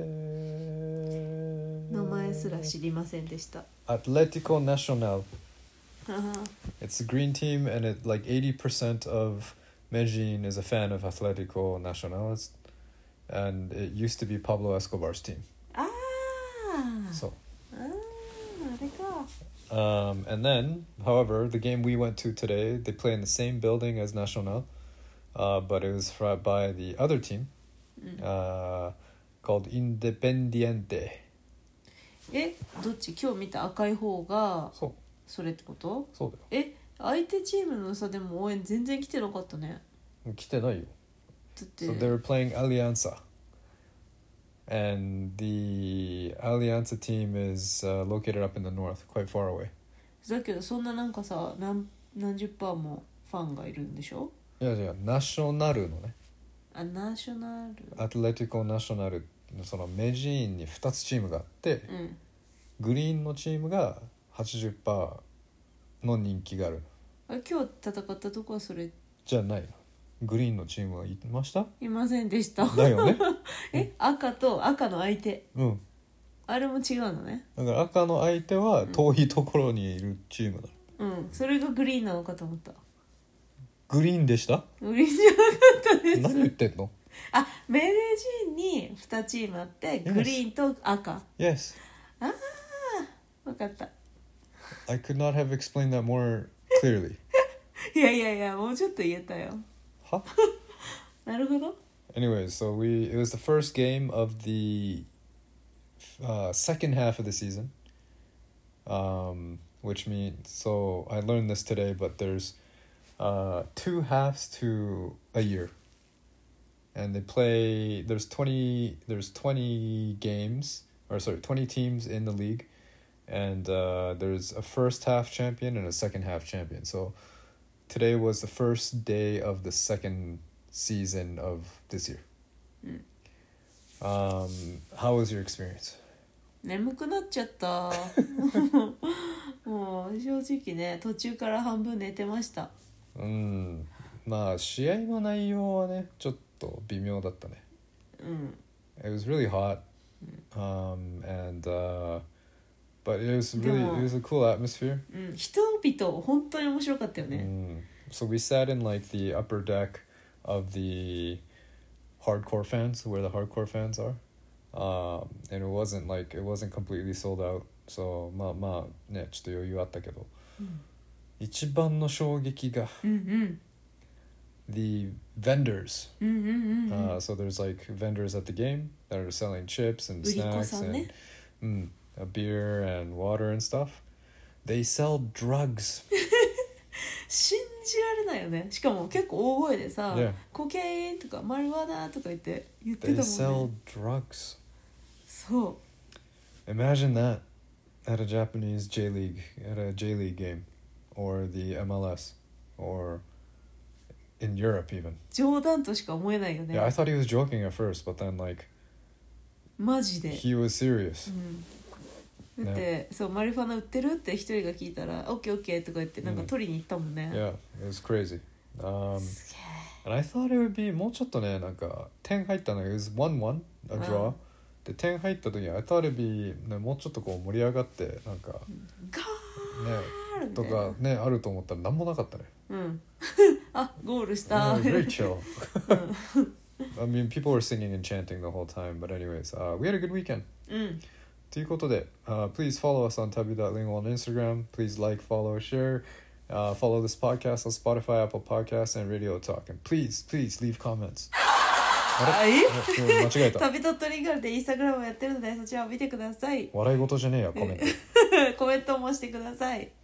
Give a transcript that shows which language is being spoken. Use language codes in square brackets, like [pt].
[ja] 名前すら知りませんでした。 [en] Atlético Nacional. Uh-huh. It's a green team, and it like 80% of Medellin is a fan of Atlético Nacional, and it used to be Pablo Escobar's team. Ah. So. [ja] Ah, あれか。 [en] And then, however, the game we went to today, they play in the same building as Nacional, but it was fought by the other team. called Independiente. [ja] え、どっち？今日見た赤い方がそれってこと？そうだよ。え、相手チームのさでも応援全然来てなかったね。来てないよ。だって。 [en] So they were playing Alianza. And the Alianza team is located up in the north, quite far away. [ja] だけどそんななんかさ、何十パーもファンがいるんでしょ？いやいや、ナショナルのね。ナショナル。アトレティコ・ナショナル、そのメジーンに2つチームがあって、うん、グリーンのチームが 80% の人気がある。あ、今日戦ったとこはそれじゃないの。グリーンのチームはいました？いませんでした。だよね。え、うん、赤と赤の相手。うん。あれも違うのね。だから赤の相手は遠いところにいるチームだ。うん、それがグリーンなのかと思った。グリーンでした？グリーンじゃなかったです。何言ってんの？あ、メデジンに2チームあって、 [en] yes. [ja] グリーンと赤。 [en] Yes. [ja] あ、分かった。 [en] I could not have explained that more clearly. [ja] いやいやいや、もうちょっと言えたよ。は？なるほど。 [en] Anyway, so it was the first game of the second half of the season, which means, so I learned this today, but there's two halves to a year, and they play, there's 20 games, or sorry, 20 teams in the league, and there's a first half champion and a second half champion. So today was the first day of the second season of this year. How was your experience? [ja] 眠くなっちゃった。もう正直ね、途中から半分寝てました。うん、まあ試合の内容はねちょっと微妙だったね。うん、 [en] It was really hot、うん、and but it was really it was a cool atmosphere、 [ja] うん、人々本当に面白かったよね。 [en] うん、 So we sat in like the upper deck of the hardcore fans, where the hardcore fans are、and it wasn't like it wasn't completely sold outSo, [ja] まあまあね、ちょっと余裕あったけど、 [en] うん、 [ja] 一番の衝撃が、うんうん、 [en] the vendors、 [ja] うんうんうんうん、 [en] so there's like vendors at the game that are selling chips and snacks、ね、and、うん、a beer and water and stuff. They sell drugs. [ja] 信じられないよね。しかも結構大声でさ、 [en] yeah. [ja] コケインとかマリワナとか言ってたもんね。 [en] They sell drugs. [ja] そう。 [en] Imagine that. At a Japanese J League, at a J League game, or the MLS, or in Europe even. [ja] 冗談としか思えないよね。 [en] Yeah, I thought he was joking at first, but then like, [ja] マジで。 [en] He was serious. [ja] うん。だって、yeah. そう、マリファナ売ってるって一人が聞いたら、 [en] OK, OK, [ja] とか言ってなんか取りに行ったもんね。 [en] Mm. Yeah, it was crazy. [ja] すげー。 [en] And I thought it would be, [ja] もうちょっとね、なんか、点入ったの、 [en] it was 1-1, a draw. [ja] で点入った時に、 [en] I thought it'd be、 [ja] ね、もうちょっとこう盛り上がってなんかガー、ねね、とかねあると思ったら何もなかったね。うん、あゴールした。 [en] Great show. I mean, people were singing and chanting the whole time, but anyways,、we had a good weekend. [ja] うん。ということで、 [en] please follow us on tabu.lingual on Instagram. Please like, follow, share.、follow this podcast on Spotify, Apple Podcasts, and Radio Talk. And please, please leave comments. [ja] あれ間違えた。旅とっとりガールでインスタグラムやってるのでそちらを見てください。笑い事じゃねえや、コメントコメントもしてください。